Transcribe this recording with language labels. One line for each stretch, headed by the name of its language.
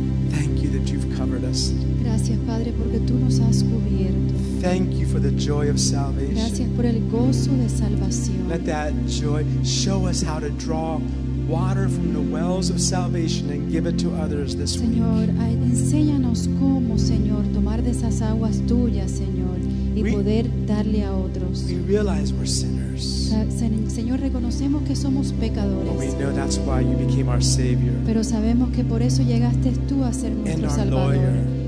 English: Thank you that you've covered us.
Spanish: Gracias, Padre, porque tú nos has cubierto.
English: Thank you for the joy of salvation.
Spanish: Gracias por el gozo de salvación.
English: Let that joy show us how to draw water from the wells of salvation and give it to others this week.
Spanish: Señor, enséñanos cómo, Señor, tomar de esas aguas tuyas, Señor, y poder darle a otros.
English: We realize we're sinners.
Spanish: Señor, reconocemos que somos pecadores.
English: But we know that's why you became our Savior.
Spanish: Pero sabemos que por eso llegaste tú a ser nuestro Salvador.